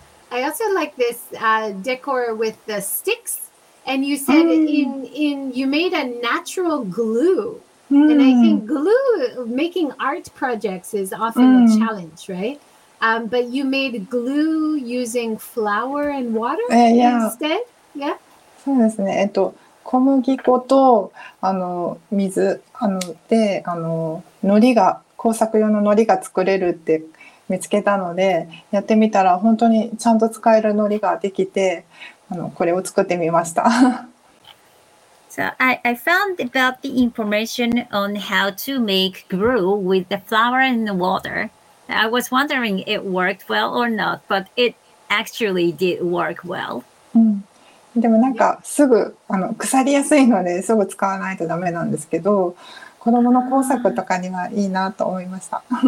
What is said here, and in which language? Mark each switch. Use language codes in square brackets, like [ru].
[en] I also like this decor with the sticks, and you said you made a natural glue, and I think glue, making art projects is often a challenge, right? But you made glue using flour and water instead? Yeah? [ja] そうですね。小麦粉と水で糊が、工作用の糊が作れるって見つけたので、やってみたら本当にちゃんと使える糊ができて、これを作ってみました。 [en] So I found about the information on how to make glue with the flour and the water. I was wondering if it worked well or not, but it actually did work well. [ja] でもなんかすぐ腐りやすいのですぐ使わないとダメなんですけど、子供の工作とかにはいいなと思いました。